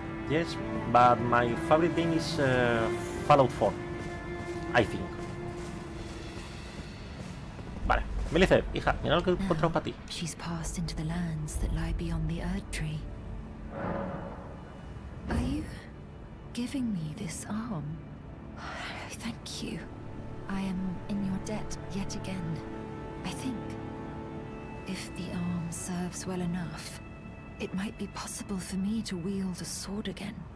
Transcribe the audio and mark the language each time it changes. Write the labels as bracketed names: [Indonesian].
[English] Yes, but my favorite thing is Fallout 4, I think. [Spanish] Millicent, hija, mira lo que he encontrado para ti. [English] She's passed into the lands that lie beyond the Erd Tree. Are you giving me this arm? Thank you. I am in your debt yet again. I think if the arm serves well enough, it might be possible for me to wield a sword again.